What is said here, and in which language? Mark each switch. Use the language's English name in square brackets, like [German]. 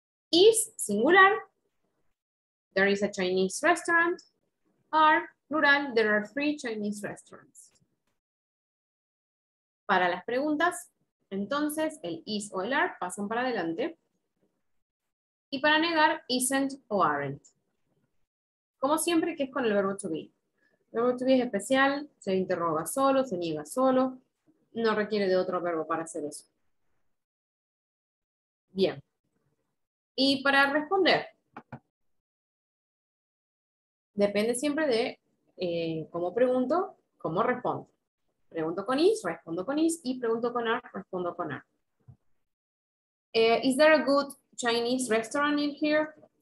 [English] Is singular, there is a Chinese restaurant, are plural, there are three Chinese restaurants. [Spanish] Para las preguntas, entonces el is o el are pasan para adelante. Y para negar, isn't o aren't. Como siempre, que es con el verbo to be. El verbo to be es especial, se interroga solo, se niega solo, no requiere de otro verbo para hacer eso. Bien. Y para responder, depende siempre de cómo pregunto, cómo respondo. Pregunto con is, respondo con is, y pregunto con are, respondo con are. [English] Is there a good Chinese restaurant in here?